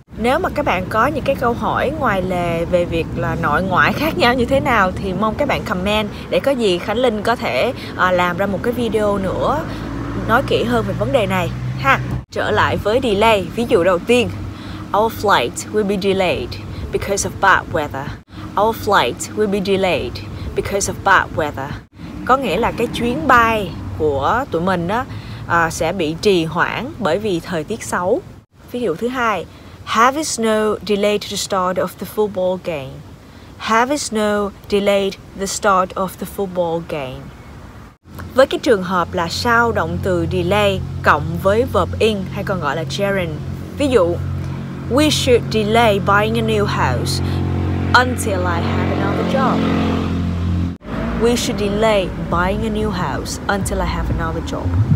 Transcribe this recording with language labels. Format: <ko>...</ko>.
<vi>Nếu mà các bạn có những cái câu hỏi ngoài lề về việc là nội ngoại khác nhau như thế nào thì mong các bạn comment để có gì Khánh Linh có thể làm ra một cái video nữa nói kỹ hơn về vấn đề này ha. Trở lại với</vi> <en>delay,</en> <vi>ví dụ đầu tiên:</vi> <en>Our flight will be delayed because of bad weather. Our flight will be delayed because of bad weather.</en> <vi>Có nghĩa là cái chuyến bay của tụi mình á sẽ bị trì hoãn bởi vì thời tiết xấu. Ví dụ thứ hai:</vi> <en>Heavy snow delayed the start of the football game. Heavy snow delayed the start of the football game.</en> <vi>Với cái trường hợp là sau động từ delay cộng với verb in hay còn gọi là gerund. Ví dụ:</vi> <en>We should delay buying a new house until I have another job. We should delay buying a new house until I have another job.</en>